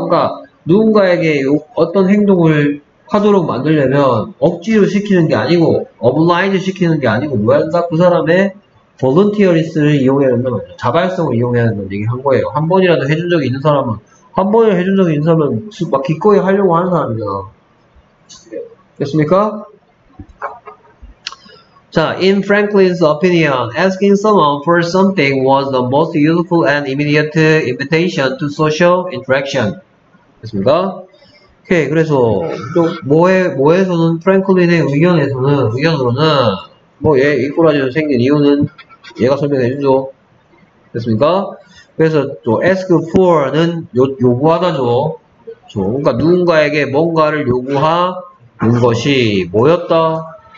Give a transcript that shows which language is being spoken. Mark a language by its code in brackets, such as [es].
[ko] 그러니까 누군가에게 어떤 행동을 하도록 만들려면 억지로 시키는 게 아니고 어블라이즈 시키는 게 아니고 뭐야? 딱 그 사람의 볼런티어리스를 이용해야 된다는 거죠. 자발성을 이용해야 된다는 얘기 한 거예요. 한 번이라도 해준 적이 있는 사람은 한 번이라도 해준 적이 있는 사람은 막 기꺼이 하려고 하는 사람이잖아. 됐습니까? [en] 자, in Franklin's opinion, asking someone for something was the most useful and immediate invitation to social interaction. [ko] 됐습니까? 오케이, 그래서 뭐에서는 프랭클린의 의견으로는 뭐 얘 이꼬라지로 생긴 이유는 얘가 설명해 주죠. 됐습니까? 그래서 또 ask for는 요구하다죠. 그러니까 누군가에게 뭔가를 요구한 것이 뭐였다?